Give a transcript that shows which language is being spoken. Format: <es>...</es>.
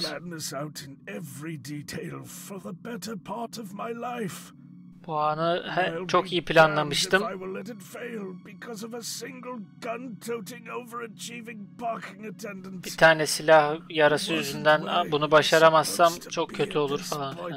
<en>I've planned this out in every detail for the better part of my life.</en> <tr>Bu anı çok iyi planlamıştım.</tr> <en>I will let it fail because of a single gun toting overachieving parking attendant.</en> <tr>Bir tane silah yarası yüzünden bunu başaramazsam çok kötü olur falan.</tr>